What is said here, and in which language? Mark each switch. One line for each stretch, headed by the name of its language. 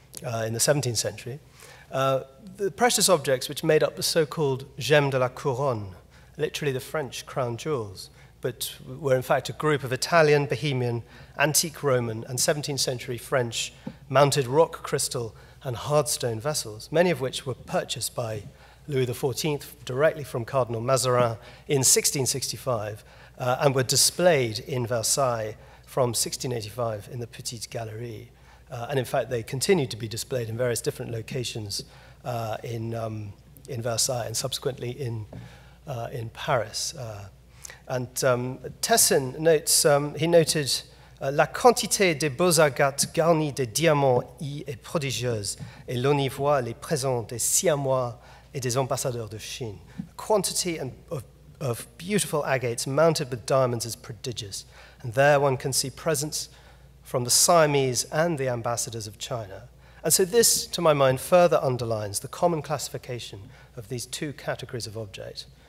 English: in the 17th century, the precious objects which made up the so-called gemme de la couronne, literally the French crown jewels, but were in fact a group of Italian, Bohemian, antique Roman, and 17th century French mounted rock crystal and hard stone vessels, many of which were purchased by Louis XIV directly from Cardinal Mazarin in 1665, and were displayed in Versailles from 1685 in the Petite Galerie. And in fact, they continued to be displayed in various different locations in Versailles and subsequently in Paris. And Tessin notes, he noted,
French: la quantité de beaux agates garnies de diamants y est prodigieuse, et l'on y voit les présents des siamois et des ambassadeurs de Chine.
English: A quantity of beautiful agates mounted with diamonds is prodigious, and there one can see presents from the Siamese and the ambassadors of China. And so this, to my mind, further underlines the common classification of these two categories of object.